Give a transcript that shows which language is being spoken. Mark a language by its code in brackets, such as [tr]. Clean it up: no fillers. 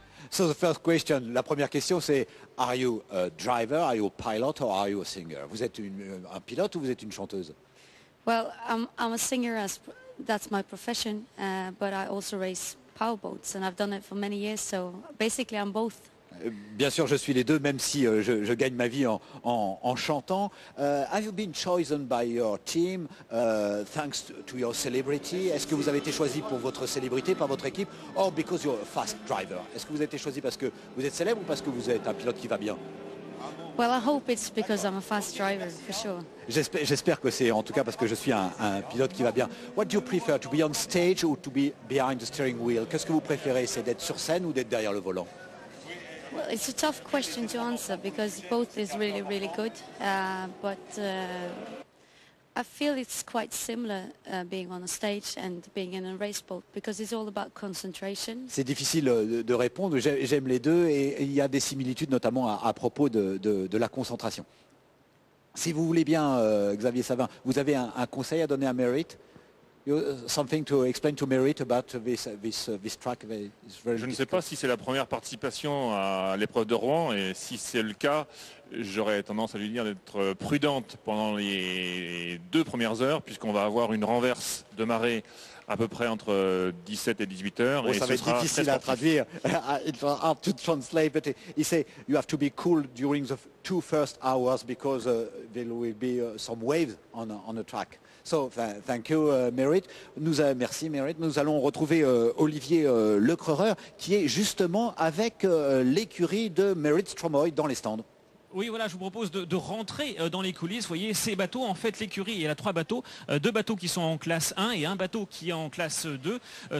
[en] So the first question, [fr] la première question, c'est [en] are you a driver, are you a pilot, or are you a singer? [fr] Vous êtes un pilote ou vous êtes une chanteuse? [en] Well, I'm a singer, as that's my profession, but I also race powerboats, and I've done it for many years. So basically, I'm both. [fr] Bien sûr, je suis les deux, même si je gagne ma vie en chantant. [en] Have you been chosen by your team thanks to your celebrity? [fr] Est-ce que vous avez été choisi pour votre célébrité par votre équipe, [en] or because you're a fast driver? [fr] Est-ce que vous avez été choisi parce que vous êtes célèbre ou parce que vous êtes un pilote qui va bien? [en] Well, I hope it's because I'm a fast driver, for sure. [fr] J'espère que c'est en tout cas parce que je suis un pilote qui va bien. [en] What do you prefer, to be on stage or to be behind the steering wheel? [fr] Qu'est-ce que vous préférez, c'est d'être sur scène ou d'être derrière le volant? [en] Well, it's a tough question to answer because both is really, really good. But I feel it's quite similar being on a stage and being in a race boat because it's all about concentration. [fr] C'est difficile de répondre. J'aime les deux et il y a des similitudes, notamment à propos de la concentration. Si vous voulez bien, Xavier Savin, vous avez un conseil à donner à Merit? [en] Something to explain to Merit about this track. [fr] Je ne sais pas si c'est la première participation à l'épreuve de Rouen, et si c'est le cas, j'aurais tendance à lui dire d'être prudente pendant les deux premières heures, puisqu'on va avoir une renverse de marée à peu près entre 17 et 18 heures. Bon, et ça va être difficile à traduire. [en] It's hard to translate, but he say you have to be cool during the two first hours because there will be some waves on the track. So, thank you, Merit. [fr] Merci, Merit. Nous allons retrouver Olivier Lecreureur, qui est justement avec l'écurie de Merit Stromoy dans les stands. Oui, voilà, je vous propose de rentrer dans les coulisses. Vous voyez, ces bateaux, en fait, l'écurie, il y a trois bateaux. Deux bateaux qui sont en classe 1 et un bateau qui est en classe 2.